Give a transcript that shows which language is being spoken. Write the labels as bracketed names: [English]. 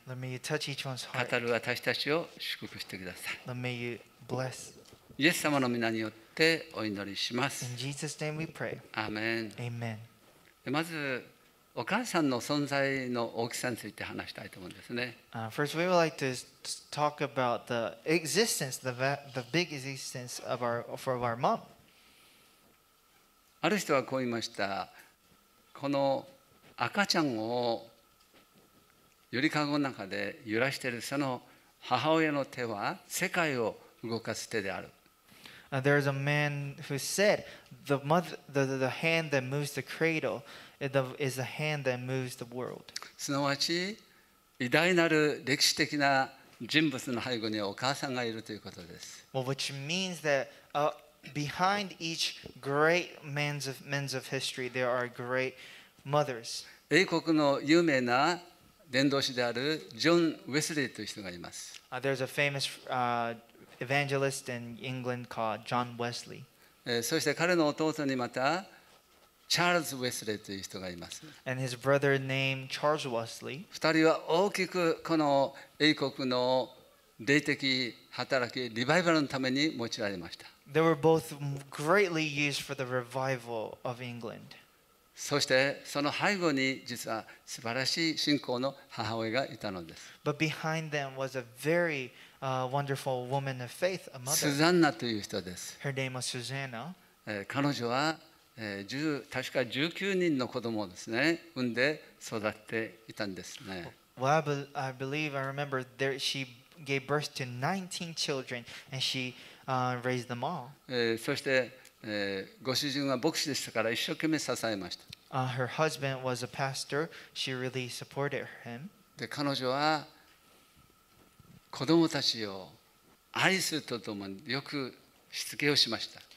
[English] Let me touch each one's heart. [Japanese] 語る私たちを祝福してください。 [English] Let me bless. [Japanese] イエス様の御名によってお祈りします。 [English] In Jesus' name we pray. [Japanese] アーメン。 [English] Amen. [Japanese] まずお母さんの存在の大きさについて話したいと思うんですね。 [English] First, we would like to talk about the existence, the big existence of our mom. [Japanese] ある人はこう言いました。この赤ちゃんをゆりかごの中で揺らしているその母親の手は世界を動かす手である。 [English] There is a man who said the mother, the hand that moves the cradle. Is a hand that moves the world. [Japanese] すなわち偉大なる歴史的な人物の背後にはお母さんがいるということです。 [English] Well, which means that behind each great men's of history, there are great mothers. [Japanese] 英国の有名な伝道師であるジョン・ウェスリーという人がいます。 [English] There's a famous evangelist in England called John Wesley. [Japanese] そして彼の弟にまたチャールズ・ウェスレーという人がいます。 [English] And his brother named Charles Wesley. [Japanese] 二人は大きくこの英国の霊的働き、リバイバルのために用いられました。 [English] They were both greatly used for the revival of England. [Japanese] そしてその背後に実は素晴らしい信仰の母親がいたのです。 [English] But behind them was a very wonderful woman of faith, a mother. [Japanese] スザンナという人です。 [English] Her name was Susanna. [Japanese] 彼女は確か19人の子供をですね、産んで育っていたんですね。 [English] Well, I believe, I remember there, she gave birth to 19 children and she raised them all. [Japanese] そして、ご主人は牧師でしたから一生懸命支えました。 [English] Her husband was a pastor. She really supported him. [Japanese] で、彼女は子供たちを愛するとともによくしつけをしました。